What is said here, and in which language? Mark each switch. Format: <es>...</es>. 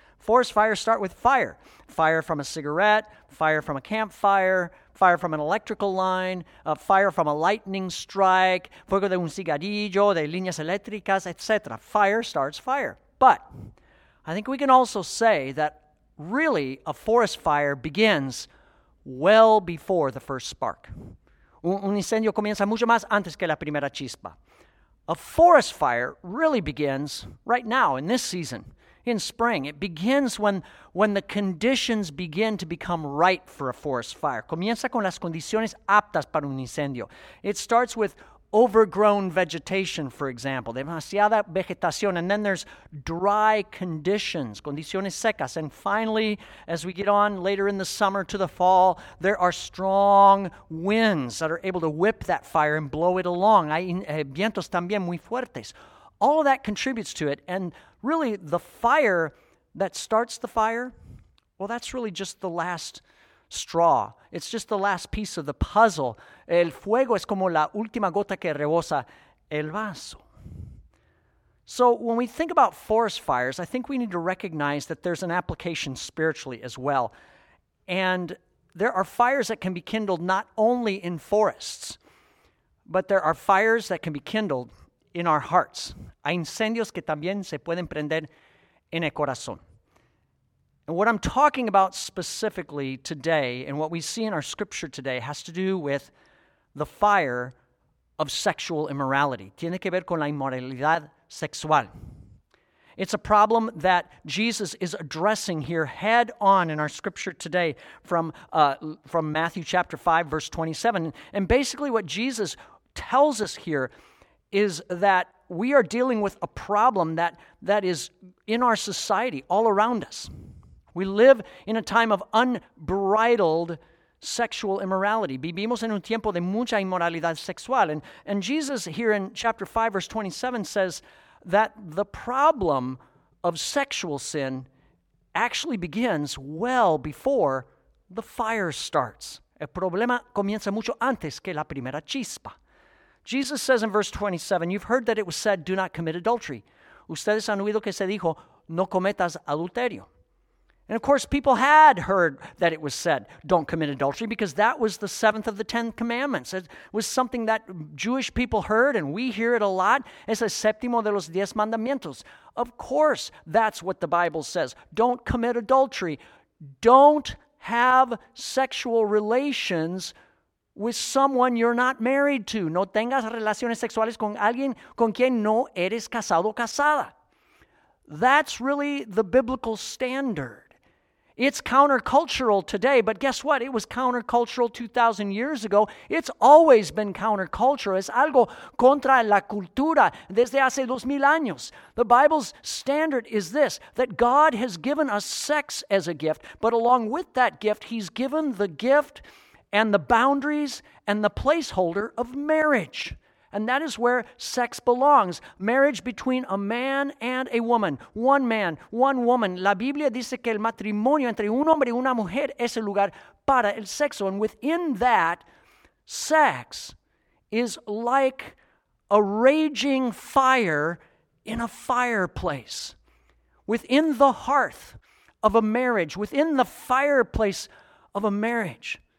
<en>Forest fires start with fire. Fire from a cigarette, fire from a campfire, fire from an electrical line, a fire from a lightning strike,</en> <es>fuego de un cigarrillo, de líneas eléctricas, etc.</es> <en>Fire starts fire. But I think we can also say that really a forest fire begins well before the first spark.</en> <es>Un incendio comienza mucho más antes que la primera chispa.</es> <en>A forest fire really begins right now in this season. In spring, it begins when the conditions begin to become right for a forest fire.</en> <es>Comienza con las condiciones aptas para un incendio.</es> <en>It starts with overgrown vegetation, for example,</en> <es>demasiada vegetación,</es> <en>and then there's dry conditions,</en> <es>condiciones secas,</es> <en>and finally, as we get on later in the summer to the fall, there are strong winds that are able to whip that fire and blow it along.</en> <es>Hay vientos también muy fuertes.</es> <en>All of that contributes to it, and really, the fire that starts the fire, well, that's really just the last straw. It's just the last piece of the puzzle.</en> <es>El fuego es como la última gota que rebosa el vaso.</es> <en>So, when we think about forest fires, I think we need to recognize that there's an application spiritually as well. And there are fires that can be kindled not only in forests, but there are fires that can be kindled in our hearts.</en> <es>Hay incendios que también se pueden prender en el corazón.</es> <en>And what I'm talking about specifically today, and what we see in our scripture today, has to do with the fire of sexual immorality.</en> <es>Tiene que ver con la inmoralidad sexual.</es> <en>It's a problem that Jesus is addressing here head on in our scripture today from Matthew chapter 5, verse 27. And basically what Jesus tells us here is that we are dealing with a problem that is in our society all around us. We live in a time of unbridled sexual immorality.</en> <es>Vivimos en un tiempo de mucha inmoralidad sexual.</es> <en>And Jesus here in chapter 5, verse 27 says that the problem of sexual sin actually begins well before the fire starts.</en> <es>El problema comienza mucho antes que la primera chispa.</es> <en>Jesus says in verse 27, you've heard that it was said, do not commit adultery.</en> <es>Ustedes han oído que se dijo, no cometas adulterio.</es> <en>And of course, people had heard that it was said, don't commit adultery, because that was the seventh of the 10 commandments. It was something that Jewish people heard, and we hear it a lot.</en> <es>Es el séptimo de los 10 mandamientos.</es> <en>Of course, that's what the Bible says. Don't commit adultery. Don't have sexual relations with someone you're not married to.</en> <es>No tengas relaciones sexuales con alguien con quien no eres casado o casada.</es> <en>That's really the biblical standard. It's countercultural today, but guess what? It was countercultural 2,000 years ago. It's always been countercultural.</en> <es>Es algo contra la cultura desde hace 2,000 años.</es> <en>The Bible's standard is this, that God has given us sex as a gift, but along with that gift, he's given the gift and the boundaries and the placeholder of marriage. And that is where sex belongs. Marriage between a man and a woman. One man, one woman.</en> <es>La Biblia dice que el matrimonio entre un hombre y una mujer es el lugar para el sexo.</es> <en>And within that, sex is like a raging fire in a fireplace. Within the hearth of a marriage, within the fireplace of a marriage.</en>